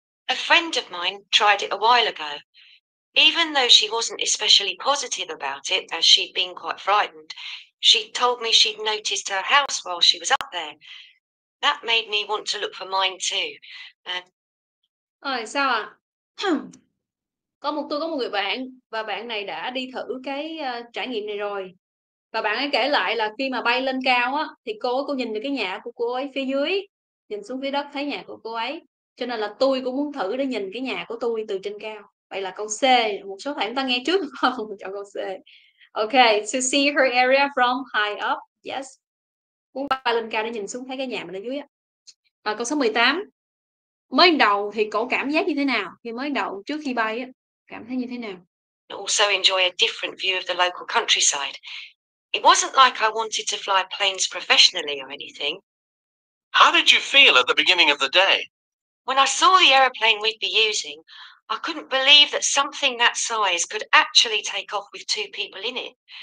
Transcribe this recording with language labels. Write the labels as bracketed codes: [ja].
[en] A friend of mine tried it a while ago. Even though she wasn't especially positive about it, as she'd been quite frightened, she told me she'd noticed her house while she was up there. That made me want to look for mine too. [vi] Sao ạ? Tôi có một người bạn và bạn này đã đi thử cái trải nghiệm này rồi. Và bạn ấy kể lại là khi mà bay lên cao á, thì cô nhìn được cái nhà của cô ấy phía dưới, nhìn xuống phía đất thấy nhà của cô ấy. Cho nên là tôi cũng muốn thử để nhìn cái nhà của tôi từ trên cao. Vậy là câu C, một số bạn ta nghe trước không? Chọn câu C. Ok, [en] to see her area from high up. [vi] Yes. Muốn bay lên cao để nhìn xuống thấy cái nhà mình ở dưới. Câu số 18. Mới đầu thì cô cảm giác như thế nào? Khi mới đầu trước khi bay á, cảm thấy như thế nào? [en] Also enjoy a different view of the local countryside. It wasn't like I wanted to fly planes professionally or anything. How did you feel at the beginning of the day? When I saw the aeroplane we'd be using, I couldn't believe that something that size could actually take off with two people in it.